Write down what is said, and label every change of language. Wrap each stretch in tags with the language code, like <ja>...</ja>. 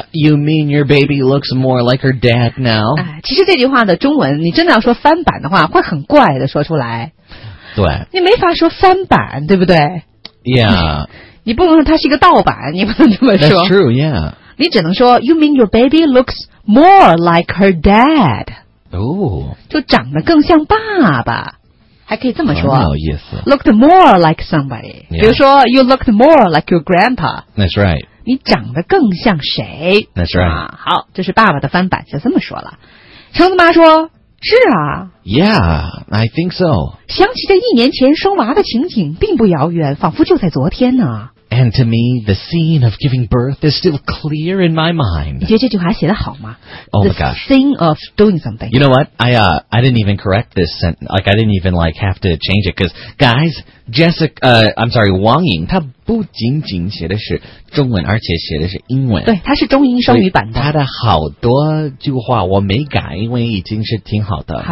<en>You mean your baby looks more like her dad now?、</en> <zh>其实这句话的中文，你真的要说翻版的话，会很怪的说出来。对。你没法说翻版，对不对</zh> <en>？Yeah.</en> <zh>你不能说他是一个盗版，你不能这么说。</zh> <en>That's true, yeah.</en> <zh>你只能说</zh> <en>You mean your baby looks more like her dad? 哦、oh. ，</en> <zh>就长得更像爸爸。还可以这么说，很有意思。</zh> <en>Looked more like somebody.、 Yeah.</en> <zh>比如说</zh> <en>，You looked more like your grandpa. That's right.</en> <zh>你长得更像谁</zh> <en>？That's right.、</en> <zh>好，这是爸爸的翻版，就这么说了。橙子妈说：“是啊。</zh> <en>”Yeah, I think so.</en> <zh>想起这一年前生娃的情景，并不遥远，仿佛就在昨天呢。</zh> <en>And to me, the scene of giving birth is still clear in my mind.</en> <zh>你觉得这句话写得好吗</zh> <en>？Oh my gosh! The scene of doing something. You know what? I didn't even correct this sentence. Like I didn't even like have to change it because guys, Jessica, I'm sorry, Wang Ying,</en> <zh>他不仅仅写的是中文，而且写的是英文。对，他是中英双语版的。他的好多句话我没改，因为已经是挺好的。</zh>